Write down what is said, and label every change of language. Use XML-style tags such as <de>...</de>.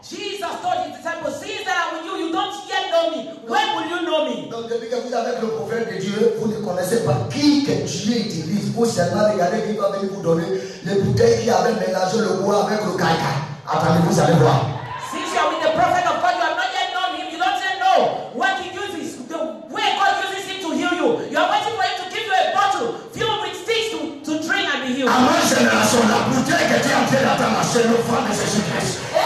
<en>Jesus told his disciples, see that I'm with you, you don't yet know me. When will you know me?</en> <fr>Donc depuis que vous avez le prophète de Dieu, vous ne connaissez pas qui que Dieu utilise. Vous seulement regardez qui va venir vous donner les bouteilles qui avaient mélangé le bois avec le caca. Attendez, vous allez voir.</fr> <en>Since you are with the prophet of God, you have not yet known him. You don't yet know what he uses, the way God uses him to heal you. You are waiting for him to give you a bottle filled with sticks to drink and be healed. Amen.</en> <fr>La bouteille que tu es en train d'attendre, c'est le sang de Jésus-Christ.</fr>